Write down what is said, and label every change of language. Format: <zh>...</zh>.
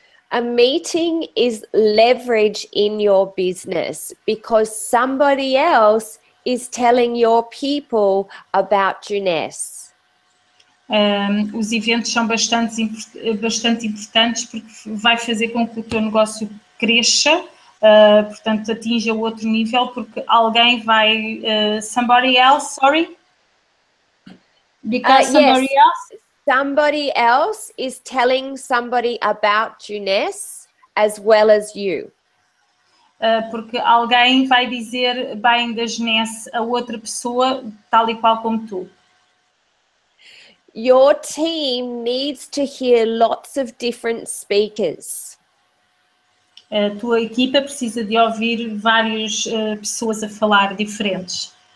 <en>A meeting is leverage in your business because somebody else is telling your people about Juness.</en> <pt>Os eventos são bastante importantes porque vai fazer com que o teu negócio cresça, portanto atinja outro nível porque alguém vai</pt> <en>somebody else is telling somebody about Juness as well as you.</en> <pt>Porque alguém vai dizer bem da Juness a outra pessoa, tal e qual como tu.</pt> <en>Your team needs to hear lots of different speakers.</en> <pt>A tua equipa precisa de ouvir várias pessoas a falar diferentes.</pt>